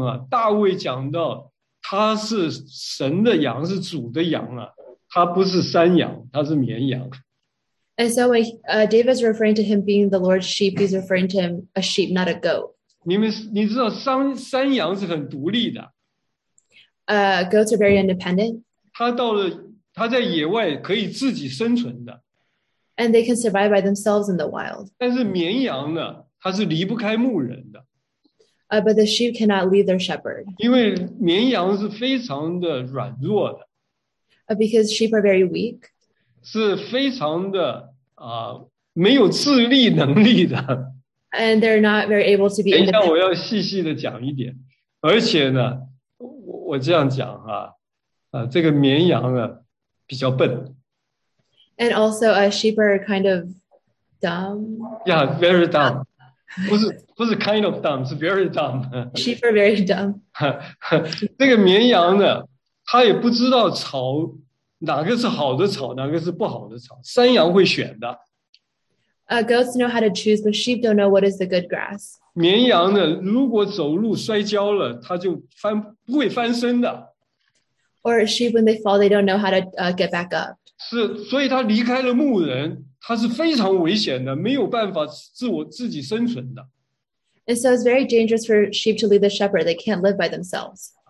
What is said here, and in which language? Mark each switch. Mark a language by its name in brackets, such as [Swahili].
[Chinese] 在我的想象中啊，大卫讲到。他是神的羊，是主的羊啊，他不是山羊，他是绵羊。 [English] And so when David's referring to him being the Lord's sheep, he's referring to him a sheep, not a goat. [Chinese] 你们，你知道山羊是很独立的。 [English] Goats are very independent. [Chinese] 他在野外可以自己生存的。 [English] And they can survive by themselves in the wild. [Chinese] 但是绵羊呢，它是离不开牧人的。 [English] But the sheep cannot leave their shepherd. [Chinese] 因为绵羊是非常的软弱的, [English] because sheep are very weak. [Chinese] 是非常的, 没有自立能力的, [English] and they're not very able to be independent. [Chinese] 等一下我要细细的讲一点, 而且呢, 我这样讲啊, 这个绵羊呢, 比较笨, [English] and also sheep are kind of dumb. Yeah, very dumb. [Chinese] 不是 [English] kind of dumb, [Chinese] 是 [English] very dumb. Sheep are very dumb. [Chinese] 这个绵羊呢, 它也不知道草,哪个是好的草,哪个是不好的草, 山羊会选的。 [English] Goats know how to choose, but sheep don't know what is the good grass. [Chinese] 绵羊呢, 如果走路摔跤了, 它就不会翻身的。 [English] Or sheep, when they fall, they don't know how to get back up. [Chinese] 是, 所以它离开了牧人。它是非常危险的，没有办法自我自己生存的。 [English] And so it's very dangerous for sheep to leave the shepherd. They can't live by themselves.